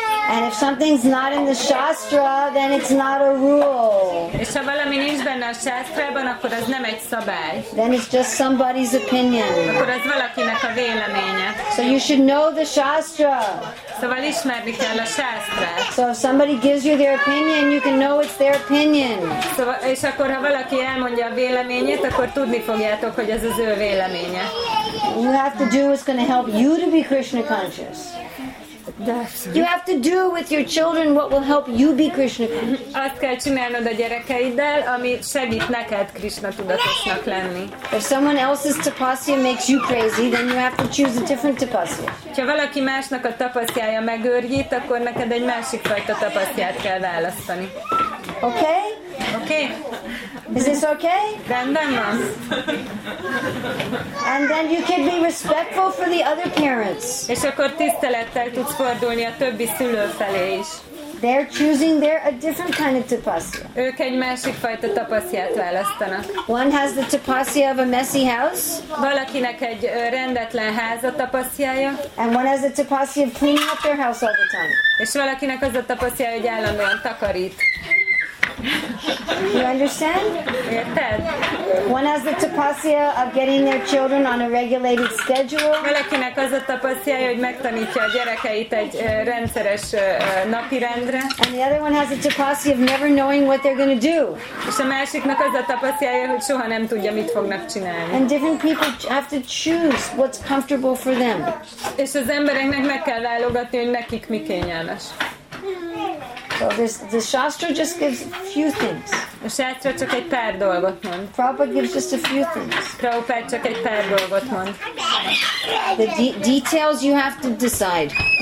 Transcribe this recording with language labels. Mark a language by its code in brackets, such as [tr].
[en] And if something's not in the Shastra, then it's not a rule. [hu] És ha valami nincs benne a Shastrában, akkor az nem egy szabály. [en] Then it's just somebody's opinion. [hu] Akkor az valakinek a véleménye. [en] So you should know the Shastra. [hu] Szóval ismerni kell a Shastrát. [en] So if somebody gives you their opinion, you can know it's their opinion. [hu] Szóval, és akkor ha valaki elmondja a véleményét, akkor tudni fogjátok, hogy ez az ő véleménye. [en] What you have to do is going to help you to be Krishna conscious. You have to do with your children what will help you be Krishna conscious. [hu] Azt kell csinálnod a gyerekeiddel, ami segít neked Krishna tudatosnak lenni. [en] If someone else's tapasya makes you crazy, then you have to choose a different tapasya. [hu] Ha valaki másnak a tapasztjája megőrjít, akkor neked egy másik fajta tapasztját kell választani. [en] Okay? Okay. Is this okay? [hu] Rendben van. [en] And then you can be respectful for the other parents. [hu] És akkor tisztelettel tudsz fordulni a többi szülő felé is. [en] They're choosing their a different kind of tapasya. [hu] Ők egy másik fajta tapasztját választanak. [en] One has the tapasya of a messy house. [hu] Valakinek egy rendetlen ház a tapasztjája. [en] And one has the tapasya of cleaning up their house all the time. [hu] És valakinek az a tapasztja, hogy állandóan takarít. [en] You understand? [hu] Érted? [en] One has the tapasya of getting their children on a regulated schedule. [hu] Valakinek az a tapasya, hogy megtanítja a gyerekeit egy rendszeres napi rendre. [en] And the other one has the tapasya of never knowing what they're going to do. [hu] És a másiknak az a tapasya, hogy soha nem tudja, mit fognak csinálni. [en] And different people have to choose what's comfortable for them. [hu] És az embereknek meg kell válogatni, hogy nekik mi kényelmes. [en] So the Shastra just gives few things. [hu] A Shastra csak egy pár dolgot mond. [en] Prabhupada gives just a few things. [hu] Prabhupada csak egy pár dolgot mond. [en] The details you have to decide.